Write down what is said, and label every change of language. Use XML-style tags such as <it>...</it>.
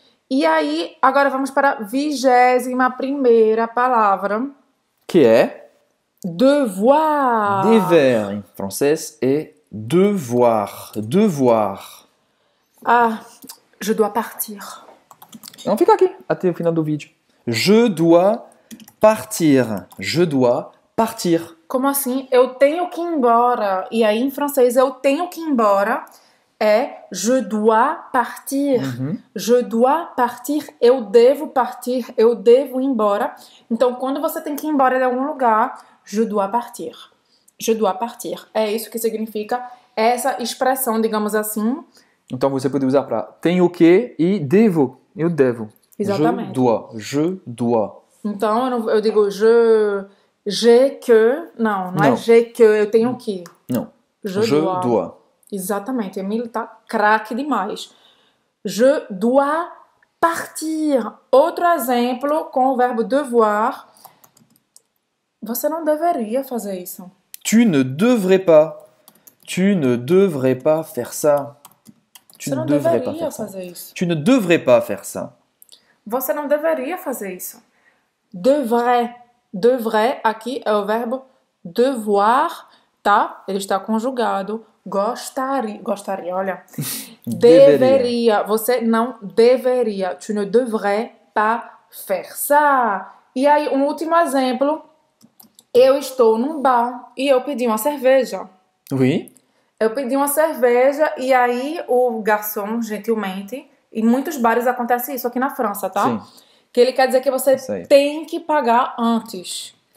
<pt>E aí, agora vamos para a 21ª palavra. Que é Devoir. devoir em francês é devoir, devoir.</pt> <fr>Ah, je dois partir.</fr> <pt>Então fica aqui até o final do vídeo.</pt> <fr>Je dois partir, je dois partir.</fr> <pt>Como assim? Eu tenho que ir embora. E aí, em francês, eu tenho que ir embora é</pt> <fr>je dois partir.</fr> <pt>Uhum.</pt> <fr>Je dois partir.</fr> <pt>Eu devo partir. Eu devo ir embora. Então, quando você tem que ir embora de algum lugar,</pt> <fr>je dois partir. Je dois partir.</fr> <pt>É isso que significa essa expressão, digamos assim. Então você pode usar para tenho que e devo. Eu devo. Je Exatamente.</pt> <fr>dois. Je dois.</fr> <pt>Então, eu digo je. J'ai que, não é Não. j'ai que, eu tenho que. Não.</pt> <fr>Je Je dois. dois.</fr> <pt>Exatamente, Emílio tá craque demais.</pt> <fr>Je dois partir.</fr> <pt>Outro exemplo com o verbo devoir. Você não deveria fazer isso.</pt> <fr>Tu ne devrais pas. Tu ne devrais pas faire ça. Tu ne</fr> <pt>não</pt> <fr>devrais pas</fr> <pt>deveria</pt> <fr>faire ça.</fr> <pt>fazer isso.</pt> <fr>Tu ne devrais pas faire ça.</fr> <pt>Você não deveria fazer isso. Devrait. Devrait, aqui é o verbo devoir, tá? Ele está conjugado. Gostaria, gostaria, olha. Deveria. Deveria, você não deveria.</pt> <fr>Tu ne devrais pas faire ça.</fr> <pt>E aí, um último exemplo. Eu estou num bar e eu pedi uma cerveja.</pt> <fr>Oui.</fr> <pt>Eu pedi uma cerveja e aí o garçom, gentilmente, em muitos bares acontece isso aqui na França, tá? Sim. Que ele quer dizer que você Isso aí. tem que pagar antes.</pt>